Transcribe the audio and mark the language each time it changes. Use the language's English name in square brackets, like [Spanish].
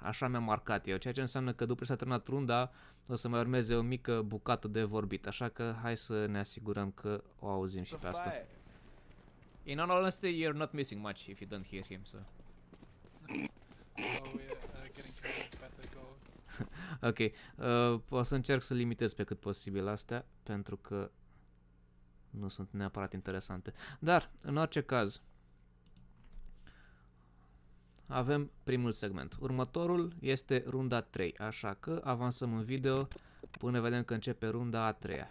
[Romanian] Așa mi-am marcat eu, ceea ce înseamnă că după ce s-a terminat runda, o să mai urmeze o mică bucată de vorbit. Așa că hai să ne asigurăm că o auzim și pe asta. [English] In all honesty, you're not missing much if you don't hear him, so. Oh, we are getting killed by the gold. [Romanian] Ok, o să încerc să limitez pe cât posibil astea, pentru că nu sunt neapărat interesante. Dar, în orice caz, avem primul segment. Următorul este runda 3, așa că avansăm în video până vedem că începe runda a treia.